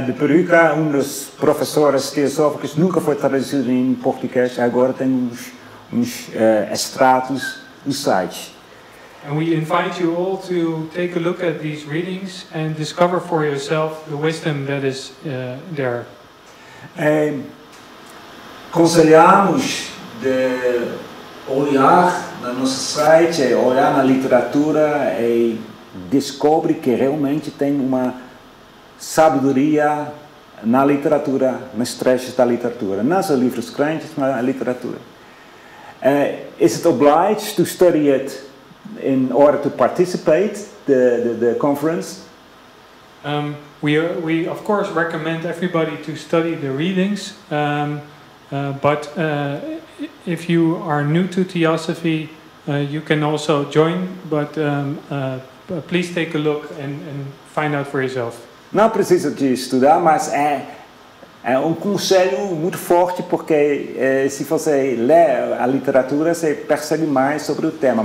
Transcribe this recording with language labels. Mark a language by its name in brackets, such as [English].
[Portuguese] De Perucker, dos professores teosóficos, nunca foi traduzido em português. Agora tem uns extratos no site. [English] And we invite you all to take a look at these readings and discover for yourself the wisdom that is there. [Portuguese] Aconselhamos de olhar no nosso site, olhar na literatura e descobre que realmente tem uma sabedoria na literatura, nas trechos da literatura, não só livros grandes, mas na literatura. [English] Is it obliged to study it in order to participate the conference? We of course recommend everybody to study the readings, but if you are new to theosophy, you can also join, but please take a look and find out for yourself. [Portuguese] Não precisa de estudar, mas é um conselho muito forte, porque se você lê a literatura, você percebe mais sobre o tema.